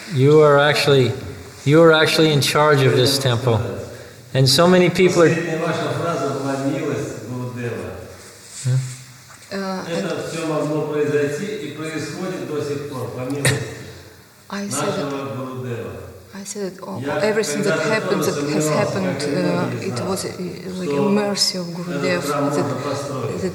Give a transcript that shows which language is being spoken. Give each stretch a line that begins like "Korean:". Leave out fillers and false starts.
English: You are actually in charge of this temple. And so many people are...
Russian: Последняя ваша фраза – «Моя милость Гурудева». Это все могло произойти и происходит до сих пор, по милости нашего Гурудева.
English: I said that everything that happened, that has happened, it was like a mercy of Gurudev.